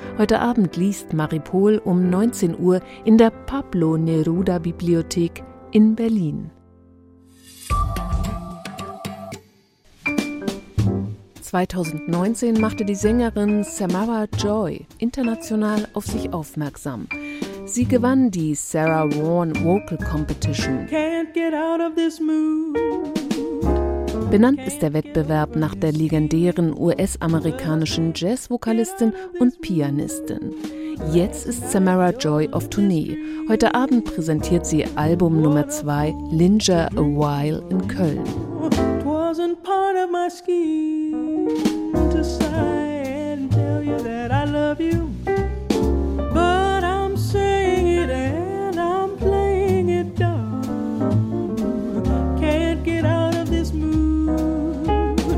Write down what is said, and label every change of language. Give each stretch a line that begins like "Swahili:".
German: Heute Abend liest Marie Pohl um 19 Uhr in der Pablo Neruda Bibliothek in Berlin. "2019 machte die Sängerin Samara Joy international auf sich aufmerksam. Sie gewann die Sarah Vaughan Vocal Competition.
English: Can't get out of this mood.
German: Benannt ist der Wettbewerb nach der legendären US-amerikanischen Jazz-Vokalistin und Pianistin. Jetzt ist Samara Joy auf Tournee. Heute Abend präsentiert sie Album Nummer 2, Linger A While, in Köln.
English: Wasn't part of my scheme to sigh and tell you that I love you. But I'm saying it and I'm playing it dumb. Can't get out of this mood.